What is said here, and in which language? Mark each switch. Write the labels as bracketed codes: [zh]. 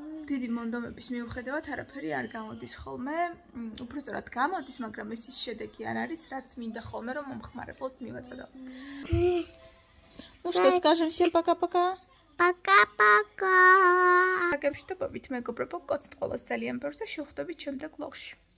[ka] დიდი მონდომების მიუხედავად არაფერი არ გამოდის ხოლმე. უფრო სწორად გამოდის, მაგრამ ეს ის შედეგი არ არის, რაც მინდა ხოლმე, რომ მომხმარებელს მივაწოდო. [ru] Ну что, скажем всем пока-пока. Пока-пока. [ka] Такებში და ბებით მეგობრებო, კოცეთ ყოველს ძალიან ბევრს და შევხვდებით შემდეგ ვლოგში.